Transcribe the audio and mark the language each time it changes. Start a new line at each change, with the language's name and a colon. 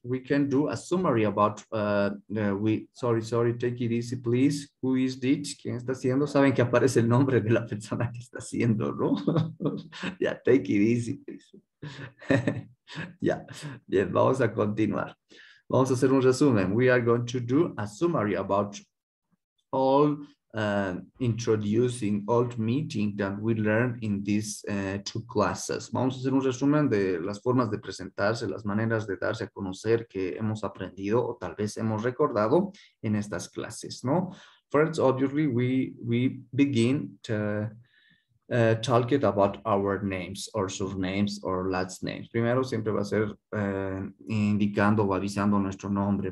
English: We can do a summary about take it easy, please. Who is this?
Spanish: ¿Quién está haciendo? Saben que aparece el nombre de la persona que está haciendo, ¿no?
English: Ya, yeah, take it easy, please. Ya, yeah.
Spanish: Bien, vamos a continuar. Vamos a hacer un resumen.
English: We are going to do a summary about all introducing old meeting that we learned in these two classes.
Spanish: Vamos a hacer un resumen de las formas de presentarse, las maneras de darse a conocer que hemos aprendido o tal vez hemos recordado en estas clases, ¿no?
English: First, obviously, we begin to talk it about our names or surnames or last names.
Spanish: Primero siempre va a ser indicando o avisando nuestro nombre.